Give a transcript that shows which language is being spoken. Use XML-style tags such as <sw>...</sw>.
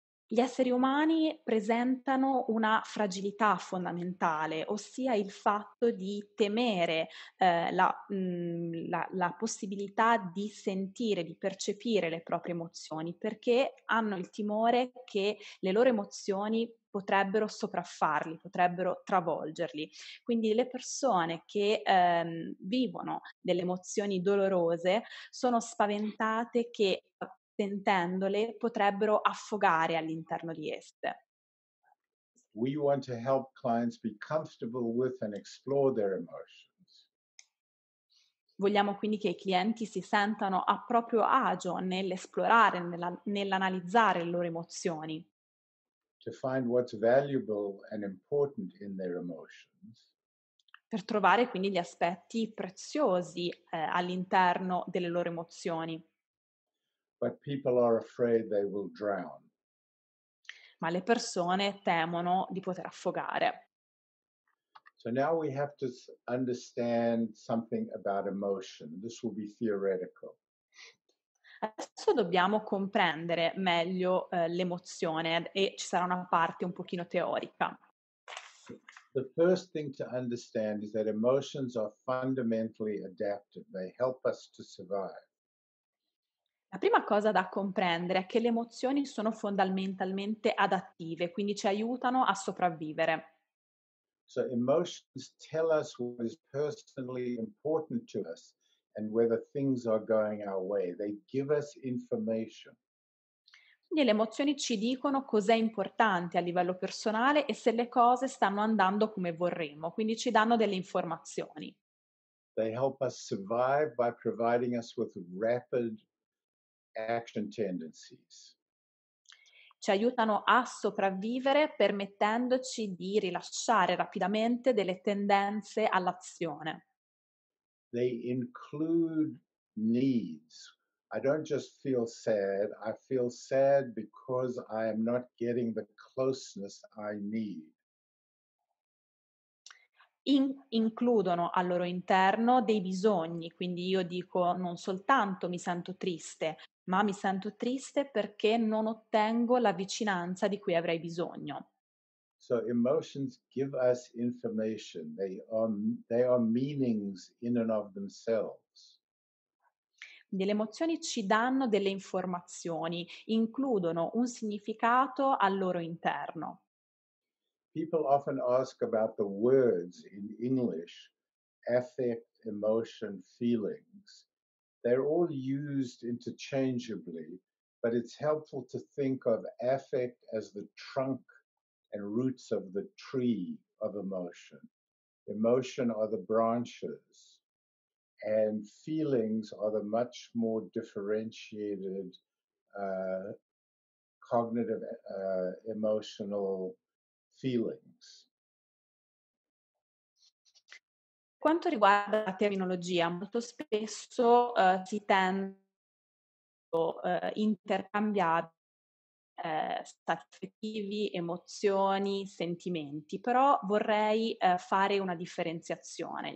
<it>Gli esseri umani presentano una fragilità fondamentale, ossia il fatto di temere la possibilità di sentire, di percepire le proprie emozioni, perché hanno il timore che le loro emozioni potrebbero sopraffarli, potrebbero travolgerli. Quindi le persone che vivono delle emozioni dolorose sono spaventate che, sentendole, potrebbero affogare all'interno di esse.</it> <en>We want to help clients be comfortable with and explore their emotions.</en> <it>Vogliamo quindi che i clienti si sentano a proprio agio nell'esplorare, nell'analizzare le loro emozioni.</it> <en>To find what's valuable and important in their emotions.</en> <it>Per trovare quindi gli aspetti preziosi all'interno delle loro emozioni.</it> <en>But people are afraid they will drown.</en> <it>Ma le persone temono di poter affogare.</it> <en>So now we have to understand something about emotion. This will be theoretical.</en> <it>Adesso dobbiamo comprendere meglio l'emozione e ci sarà una parte un pochino teorica.</it> <en>The first thing to understand is that emotions are fundamentally adaptive. They help us to survive.</en> <it>La prima cosa da comprendere è che le emozioni sono fondamentalmente adattive, quindi ci aiutano a sopravvivere.</it> <en>So emotions tell us what is personally important to us. And whether things are going our way, they give us information.</en> <it>Quindi le emozioni ci dicono cos'è importante a livello personale e se le cose stanno andando come vorremmo. Quindi ci danno delle informazioni.</it> <en>They help us survive by providing us with rapid action tendencies.</en> <it>Ci aiutano a sopravvivere permettendoci di rilasciare rapidamente delle tendenze all'azione.</it> <en>They include needs. I don't just feel sad, I feel sad because I am not getting the closeness I need.</en> <it>Includono al loro interno dei bisogni, quindi io dico non soltanto mi sento triste, ma mi sento triste perché non ottengo la vicinanza di cui avrei bisogno.</it> <en>So emotions give us information. They are meanings in and of themselves.</en> <it>Le emozioni ci danno delle informazioni, includono un significato al loro interno.</it> <en>People often ask about the words in English, affect, emotion, feelings. They're all used interchangeably, but it's helpful to think of affect as the trunk and roots of the tree of emotion. Emotion are the branches, and feelings are the much more differentiated cognitive emotional feelings.</en> <it>Quanto riguarda la terminologia, molto spesso si tende a intercambiare stati affettivi, emozioni, sentimenti, però vorrei fare una differenziazione.</it>